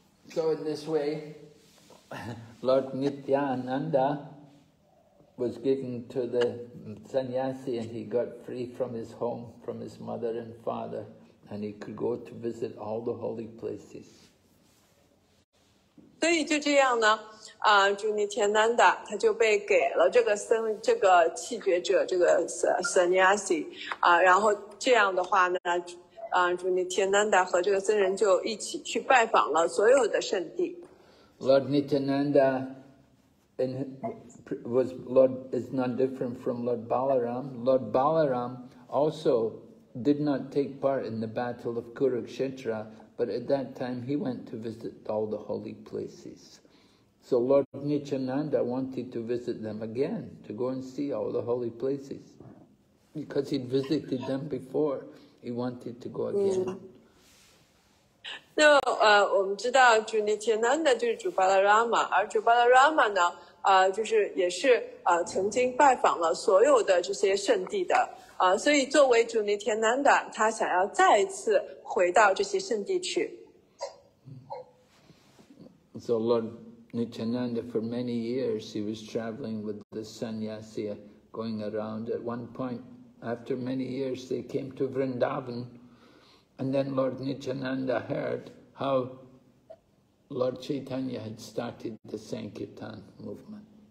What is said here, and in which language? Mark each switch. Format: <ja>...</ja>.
<en>So in this way,Lord Nityananda was given to the sannyasi and he got free from his home, from his mother and father, and he could go to visit all the holy places.</en> <zh>所以就这样呢，主尼天南达他就被给了这个僧，这个弃绝者，这个sannyasi，然后这样的话呢，主尼天南达和这个僧人就一起去拜访了所有的圣地。</zh> <en>Lord Nityananda is not different from Lord Balaram. Lord Balaram also did not take part in the battle of Kurukshetra, but at that time he went to visit all the holy places. So Lord Nityananda wanted to visit them again, to go and see all the holy places. Because he'd visited them before, he wanted to go again. Mm-hmm.</en> <zh>那我们知道主尼天南达就是主巴拉拉玛，而主巴拉拉玛呢，就是也是曾经拜访了所有的这些圣地的，所以作为主尼天南达，他想要再次回到这些圣地去。</zh> <en>So Lord Nityananda, for many years he was traveling with the sannyasi, going around. At one point, after many years, they came to Vrindavan. And then Lord Nityananda heard how Lord Chaitanya had started the Sankirtan movement.</en>